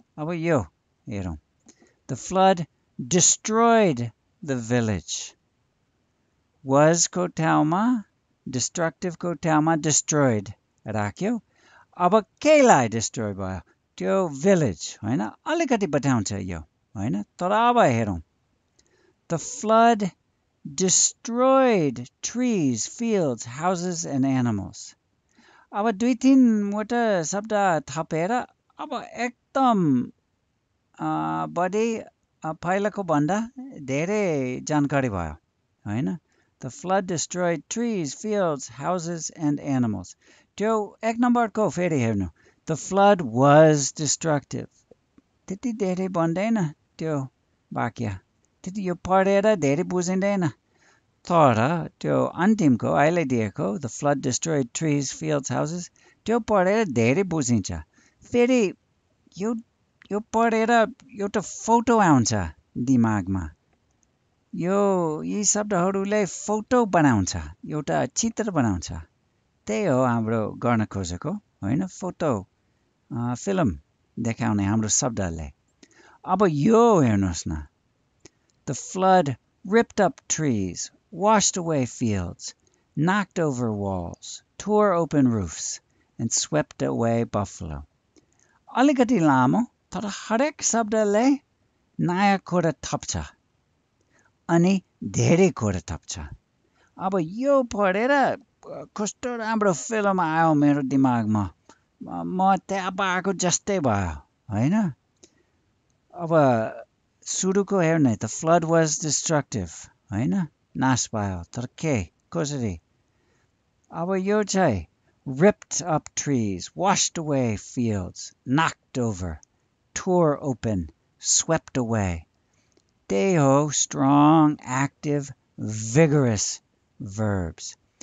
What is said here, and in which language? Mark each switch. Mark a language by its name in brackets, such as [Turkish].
[Nepali] अब यो हेरौँ, [English] The flood destroyed the village. [Nepali] वाजको ठाउँमा डिस्ट्रक्टिभको ठाउँमा डिस्ट्रोइड राख्यो। अब केलाई डिस्ट्रोय भयो, त्यो भिलेज, होइन, अलिकति बताउँछ यो, होइन। तर अब हेरौँ, [English] The flood destroyed trees, fields, houses, and animals. [Nepali] अब दुई तिन वटा शब्द थपेर अब एकदम बढी पहिलाको भन्दा धेरै जानकारी भयो होइन. [English] The flood destroyed trees, fields, houses, and animals. [Nepali] त्यो एक नम्बरको फेरि हेर्नु. [English] The flood was destructive. [Nepali] त्यति धेरै भन्दैन त्यो वाक्य. त्यति यो पढेर धेरै बुझिँदैन. तर त्यो अन्तिमको अहिले दिएको [English] the flood destroyed trees fields houses [Nepali] त्यो पढेर धेरै बुझिन्छ. फेरि यो यो पढेर एउटा फोटो आउँछ दिमागमा. यो यी शब्दहरूले फोटो बनाउँछ, एउटा चित्र बनाउँछ. त्यही हो हाम्रो गर्न खोजेको होइन, फोटो फिल्म देखाउने हाम्रो शब्दले. अब यो हेर्नुहोस् न, [English] The flood ripped up trees, washed away fields, knocked over walls, tore open roofs, and swept away buffalo. [Nepali] अलिकति लामो तर हरेक शब्दले नयाँ कुरा थप्छ अनि धेरै कुरा थप्छ. अब यो पढेर कस्तो राम्रो फिल्म आयो मेरो दिमागमा. म त्यहाँ पाएको जस्तै भयो होइन. अब सुरुको हेर्ने त [English] flood was destructive [Nepali] होइन, नाश भयो. तर के कसरी अब यो चाहिँ [English] ripped up trees, washed away fields, knocked over, tore open, swept away. They ho strong, active, vigorous verbs.